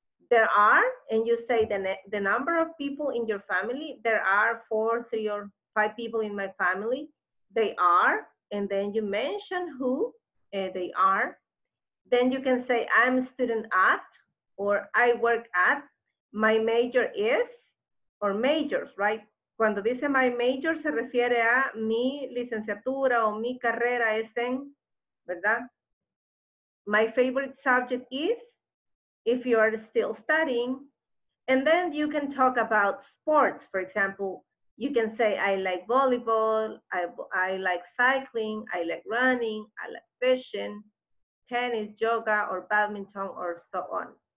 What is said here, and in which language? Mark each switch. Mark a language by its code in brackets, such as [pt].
[en] There are, and you say the number of people in your family, there are 4, 3, or 5 people in my family, they are, and then you mention who they are. Then you can say I'm a student at, or I work at, my major is, or majors, right? [es] Cuando dice [en] my major, [es] se refiere a mi licenciatura o mi carrera es en, ¿verdad? [en] My favorite subject is, if you are still studying. And then you can talk about sports. For example, You can say, I like volleyball, I like cycling, I like running, I like fishing, tennis, yoga, or badminton, or so on.